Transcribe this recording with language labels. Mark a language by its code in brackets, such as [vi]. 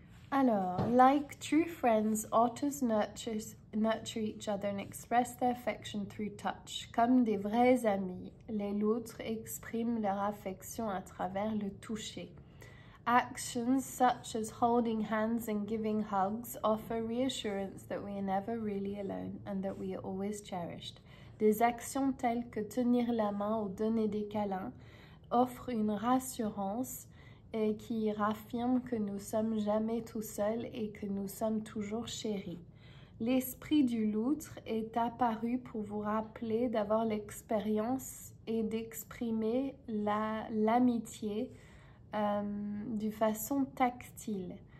[en] Alors, like true friends, otters nurture each other and express their affection through touch. [fr] Comme des vrais amis, les loutres expriment leur affection à travers le toucher. [en] Actions such as holding hands and giving hugs offer reassurance that we are never really alone and that we are always cherished. [fr] Des actions telles que tenir la main ou donner des câlins offrent une rassurance et qui raffirme que nous sommes jamais tout seuls et que nous sommes toujours chéris. L'esprit du loutre est apparu pour vous rappeler d'avoir l'expérience et d'exprimer l'amitié d'une façon tactile.